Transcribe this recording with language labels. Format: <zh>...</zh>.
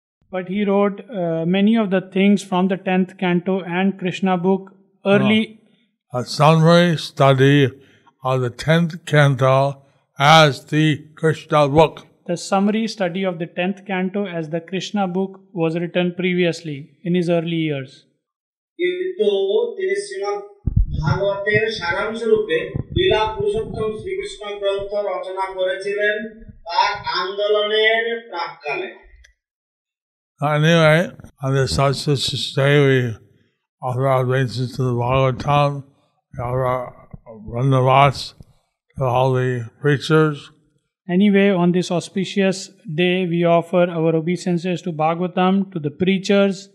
<en>But he wrote many of the things from the 10th canto and Krishna book early. A summary study of the 10th canto as the Krishna book. the summary study of the 10th canto as the Krishna book was written previously in his early years.</en> <bn>কিন্তু তিনি শ্রীমদ্ভাগবতের সারাংশ রূপে লীলা পুরুষোত্তম শ্রীকৃষ্ণ গ্রন্থ রচনা করেছিলেন তার আন্দোলনের প্রাক্কালে.</bn> <en>Anyway, on the such a day, we offer our obeisances to the Bhagavatam, we offer our Vandavas to all the preachers. Anyway, on this auspicious day, we offer our obeisances to Bhagavatam, to the preachers.</en>